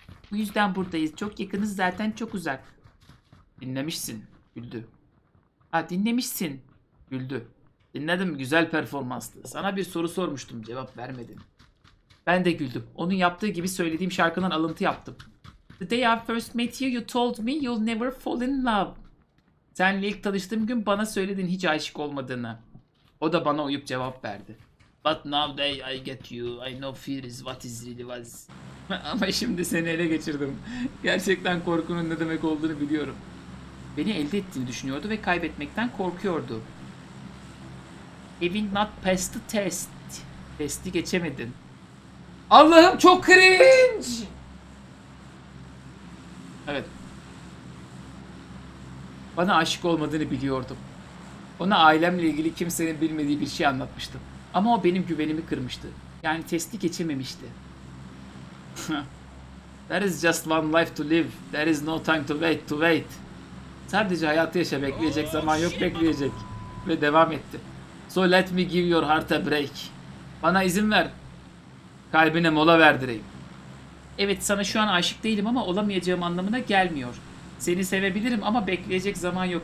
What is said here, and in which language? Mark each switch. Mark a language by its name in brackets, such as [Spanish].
[Turkish] Bu yüzden buradayız. Çok yakınız zaten çok uzak. Dinlemişsin. Güldü. Ha, dinlemişsin. Güldü. Dinledim, güzel performanstı. Sana bir soru sormuştum, cevap vermedin. Ben de güldüm. Onun yaptığı gibi söylediğim şarkıdan alıntı yaptım. [English] The day I first met you, you told me you'll never fall in love. [Turkish] Senle ilk tanıştığım gün bana söyledin hiç aşık olmadığını. O da bana uyup cevap verdi. [English] But now day I get you, I know fear is what is really was. [Turkish] Ama şimdi seni ele geçirdim. Gerçekten korkunun ne demek olduğunu biliyorum. Beni elde ettiğini düşünüyordu ve kaybetmekten korkuyordu. [English] Having not passed the test. [Turkish] Testi geçemedin. Allah'ım çok cringe. Evet. Bana aşık olmadığını biliyordum. Ona ailemle ilgili kimsenin bilmediği bir şey anlatmıştım. Ama o benim güvenimi kırmıştı. Yani testi geçememişti. [English] There is just one life to live. There is no time to wait, to wait. [Turkish] Sadece hayatı yaşa, bekleyecek zaman yok, bekleyecek. Ve devam etti. [English] So let me give your heart a break. [Turkish] Bana izin ver. Kalbine mola verdireyim. Evet, sana şu an aşık değilim ama olamayacağım anlamına gelmiyor. Seni sevebilirim ama bekleyecek zaman yok.